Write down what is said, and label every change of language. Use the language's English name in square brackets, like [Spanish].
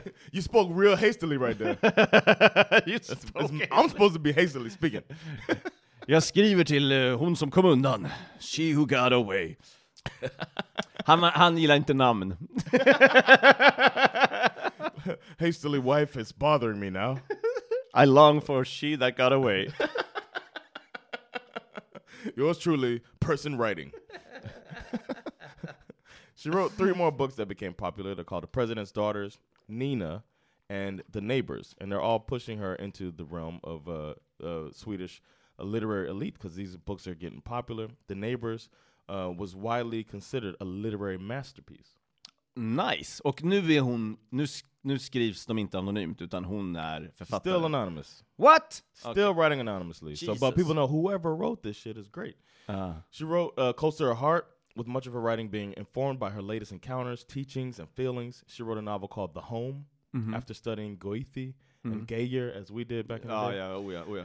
[English] You spoke real hastily right there. You spoke hastily. I'm supposed to be hastily speaking. [Swedish] Jag skriver till hon som kom undan. [English] She who got away. [Swedish] Han gillar inte namn. [English] Hastily wife is bothering me now. I long for she that got away. Yours truly, person writing. She wrote 3 more books that became popular. They're called The President's Daughters, Nina, and The Neighbors. And they're all pushing her into the realm of Swedish literary elite because these books are getting popular. The Neighbors was widely considered a literary masterpiece. Nice. [Swedish] Och nu är hon, nu skrivs de inte anonymt, utan hon är författare. [English] Still anonymous. What? Still okay. Writing anonymously. Jesus. So, but people know whoever wrote this shit is great. She wrote Close to Her Heart, with much of her writing being informed by her latest encounters, teachings, and feelings. She wrote a novel called The Home, mm-hmm. after studying Goethe, mm-hmm. and Geyer, as we did back in the day. Yeah, oh, yeah, oh, yeah.